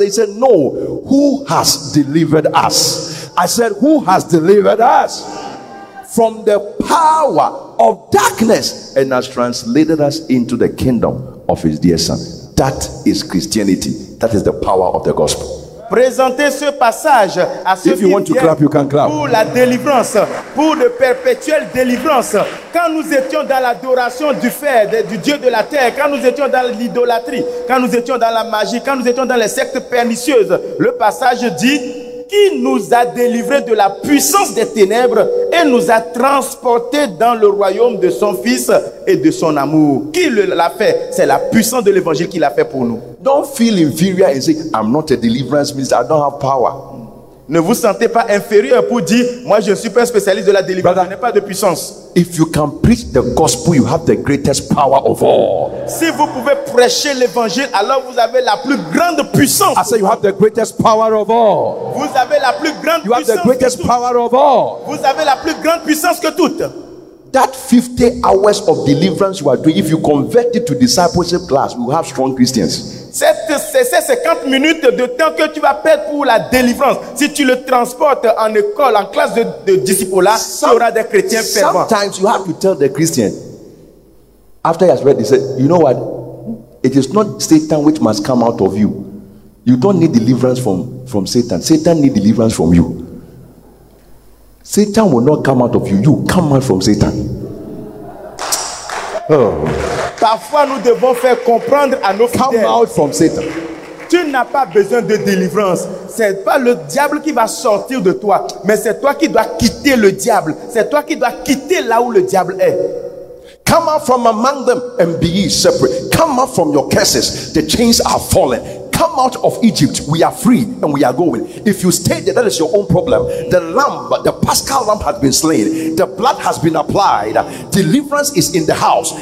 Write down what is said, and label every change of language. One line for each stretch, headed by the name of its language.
English: He said, no. Who has delivered us? I said, who has delivered us from the power of darkness and has translated us into the kingdom of his dear son? That is Christianity. That is the power of the gospel.
French: Présentez ce passage à ceux qui viennent pour la délivrance, pour de perpétuelles délivrances. Quand nous étions dans l'adoration du fer, du Dieu de la terre, quand nous étions dans l'idolâtrie, quand nous étions dans la magie, quand nous étions dans les sectes pernicieuses, le passage dit « Qui nous a délivrés de la puissance des ténèbres et nous a transportés dans le royaume de son Fils et de son amour ?» Qui l'a fait ? C'est la puissance de l'évangile qui l'a fait pour nous.
English: Don't feel inferior and say, I'm not a deliverance minister, I don't have power.
French: Ne vous sentez pas inférieur pour dire, moi je suis pas un spécialiste de la délivrance, je n'ai pas de puissance.
English: If you can preach the gospel, you have the greatest power of all.
French: Si vous pouvez prêcher l'évangile, alors vous avez la plus grande puissance.
English: I say you have the greatest power of all.
French: Vous avez la plus grande
English: you
French: puissance.
English: You have the greatest power of all.
French: Vous avez la plus grande puissance que toutes.
English: That 50 hours of deliverance you are doing, if you convert it to discipleship class, we will have strong Christians.
French: Ces 50 minutes de temps que tu vas perdre pour la délivrance, si tu le transportes en école, en classe de discipulat, tu auras des chrétiens fervents.
English: Sometimes you have to tell the Christian, after he has read, he said, you know what? It is not Satan which must come out of you. You don't need deliverance from Satan. Satan needs deliverance from you. Satan will not come out of you. You come out from Satan.
French: Parfois, nous devons faire comprendre à nos fidèles.
English: Come out from Satan.
French: Tu n'as pas besoin de délivrance. C'est pas le diable qui va sortir de toi, mais c'est toi qui dois quitter le diable. C'est toi qui dois quitter là où le diable est.
English: Come out from among them and be ye separate. Come out from your curses. The chains are fallen. Come out of Egypt. We are free and we are going. If you stay there, that is your own problem. The lamb, the Paschal lamb has been slain. The blood has been applied. Deliverance is in the house.